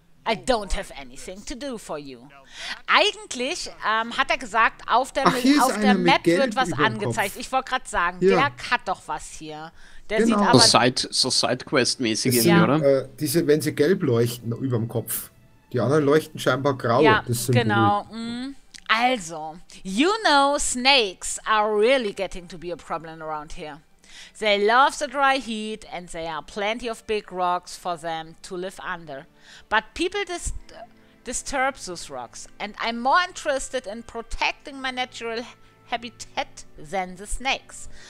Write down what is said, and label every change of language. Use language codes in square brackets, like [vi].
[en] I don't have anything to do for you. [de] Eigentlich hat er gesagt, auf der Map wird was angezeigt. Ich wollte gerade sagen, der hat doch was hier. Der genau. Sieht aber so Sidequest-mäßig irgendwie, oder? Diese, wenn sie gelb leuchten über dem Kopf. Die anderen leuchten scheinbar grau. Ja, das sind genau. [en] Also, you know, snakes are really getting to be a problem around here. They love the dry heat and there are plenty of big rocks for them to live under. But people disturb those rocks and I'm more interested in protecting my natural habitat than the snakes.